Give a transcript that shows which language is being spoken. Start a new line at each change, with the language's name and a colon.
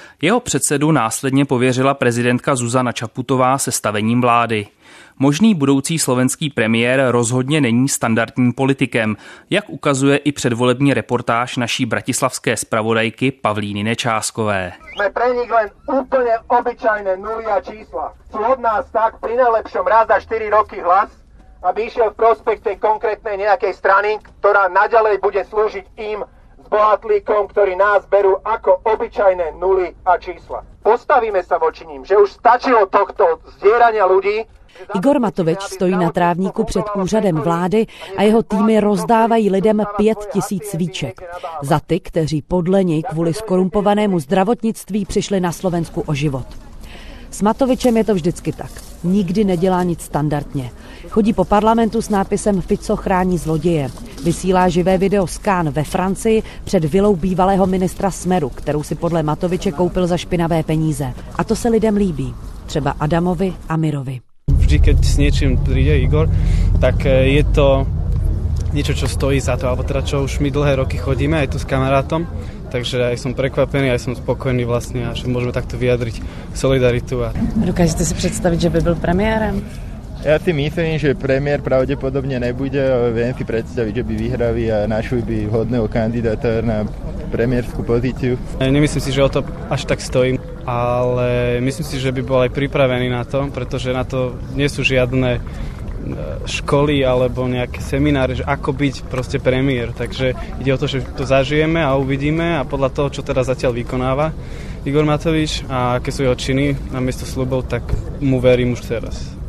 Czech: Jeho předsedu následně pověřila prezidentka Zuzana Čaputová se stavením vlády. Možný budoucí slovenský premiér rozhodně není standardním politikem, jak ukazuje i předvolební reportáž naší bratislavské zpravodajky Pavlíny Nečáskové.
Slovak: Jsme pre nich len úplně obyčajné nuly a čísla. Jsou od nás tak pri nejlepšom raz za 4 roky hlas, aby išel v prospekte konkrétnej nejakej strany, ktorá naďalej bude slúžiť im s bohatlíkom, ktorí nás berú ako obyčajné nuly a čísla. Postavíme sa voči ním, že už stačilo tohto zdierania ľudí.
Czech: Igor Matovič stojí na trávníku před úřadem vlády a jeho týmy rozdávají lidem 5000 svíček. Za ty, kteří podle něj kvůli skorumpovanému zdravotnictví přišli na Slovensku o život. S Matovičem je to vždycky tak. Nikdy nedělá nic standardně. Chodí po parlamentu s nápisem Fico chrání zloděje. Vysílá živé video z Cannes ve Francii před vilou bývalého ministra Smeru, kterou si podle Matoviče koupil za špinavé peníze. A to se lidem líbí. Třeba Adamovi a Mirovi.
Slovak: Vždy, keď s niečím príde Igor, tak je to niečo, čo stojí za to, alebo teda čo už my dlhé roky chodíme aj tu s kamarátom, takže aj som prekvapený, aj som spokojný vlastne a že môžeme takto vyjadriť solidaritu. A dokážete si predstaviť, že by bol premiérem? Ja si myslím, že premiér pravdepodobne nebude, ale viem si predstaviť, že by vyhrali a našli by vhodného kandidáta na premiérskú pozíciu. Nemyslím si, že o to až tak stojí. Ale myslím si, že by bol aj pripravený na to, pretože na to nie sú žiadne školy alebo nejaké semináre, že ako byť proste premiér. Takže ide o to, že to zažijeme a uvidíme a podľa toho, čo teda zatiaľ vykonáva Igor Matovič a aké sú jeho činy na miesto sľubov, tak mu verím už teraz.